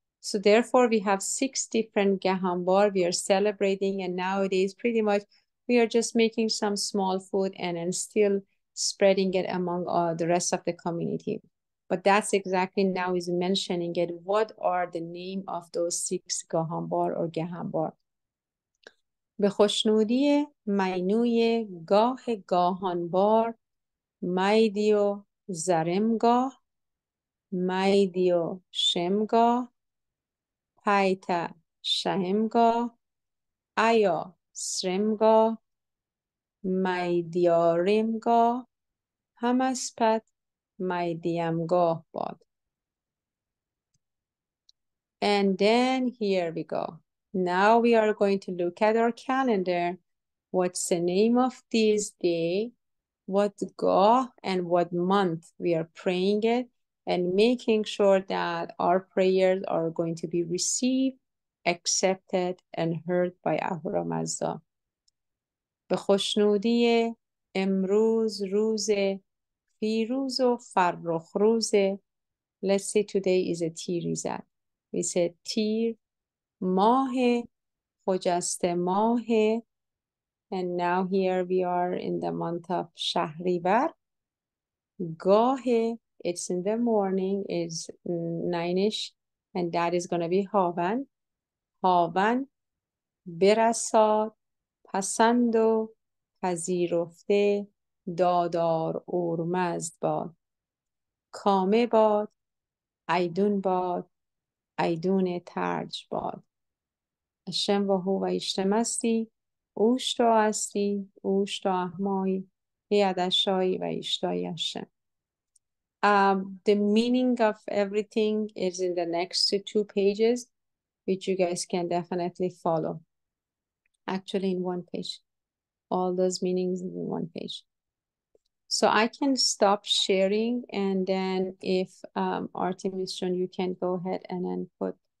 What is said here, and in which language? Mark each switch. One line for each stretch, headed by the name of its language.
English: So therefore we have six different Gahambar we are celebrating, and nowadays pretty much we are just making some small food and still spreading it among the rest of the community. But that's exactly now is mentioning it. What are the name of those six Gahambar or Gahambar?
Persian: به خوشنودی مینوی گاه گاهانبار میدیو زرمگاه میدیو شمگاه پیتا شهمگاه ایا سرمگاه میدیارمگاه همسپت میدیمگاه باد.
English: And then here we go. Now we are going to look at our calendar. What's the name of this day? What gah and what month we are praying it? And making sure that our prayers are going to be received, accepted, and heard by Ahura Mazda.
Persian: به خوشنودی امروز روز پیروز و فرخ روز.
English: Let's say today is a تیر ایزد. We say
Persian: تیر ماه خجسته ماه.
English: And now here we are in the month of شهریور. گاه it's in the morning is nine-ish and that is going to be هاون.
Persian: هاون برساد پسند و پذیرفته دادار اورمزد باد. کامه باد ایدون باد ایدون ترج باد. اشم و هو و اشتم استی اوشتا استی اوشتا احمای هیدشایی و اشتای اشم.
English: The meaning of everything is in the next two pages, which you guys can definitely follow. Actually, in one page. All those meanings in one page. So I can stop sharing, and then if Artemis John, you can go ahead and then put.